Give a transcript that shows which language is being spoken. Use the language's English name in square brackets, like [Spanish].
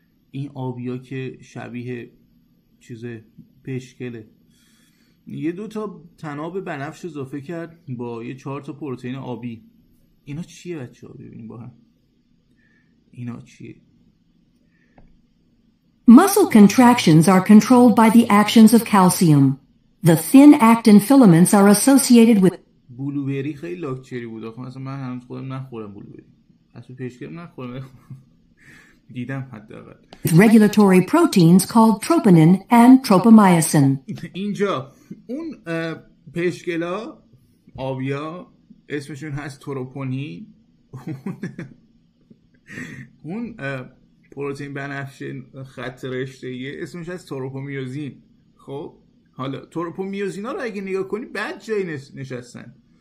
[Persian] این آبی ها که شبیه چیز پشکله، یه دو تا تناب بنفش اضافه کرد با یه چهار تا پروتئین آبی. اینا چیه بچه ها؟ ببینیم با هم اینا چیه. [English] Muscle contractions are controlled by the actions of calcium. The thin actin filaments are associated with. [Persian] بلوبری خیلی لاکچری بود. آخه مثلا من هنوز خودم نخورم بلوبری، اصلا پیشکرم نخورم دیدم حتی اول. [English] Regulatory proteins called troponin and tropomyosin. [Persian] اینجا اون پشکلا آبیا اسمشون هست تروپونی. اون پروتئین بنفش خط رشته اسمش هست تروپومیوزین. خب حالا تروپومیوزین ها رو اگه نگاه کنی بعد جایی نشستن.